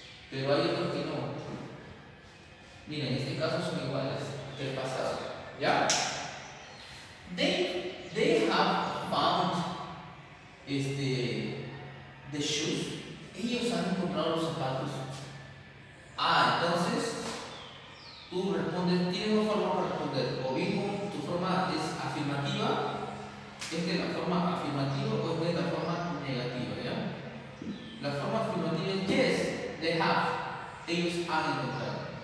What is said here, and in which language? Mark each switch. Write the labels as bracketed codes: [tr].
[es] Pero hay otros que no. Mira, en este caso son iguales del pasado. ¿Ya? [en] They have found the shoes. [es] Ellos han encontrado los zapatos. Ah, entonces tú respondes, tienes dos formas para responder. O mismo, tu forma es afirmativa. Es de la forma afirmativa o es de la forma negativa, ¿ya? La forma afirmativa es [en] yes, they have. [es] Ellos han encontrado.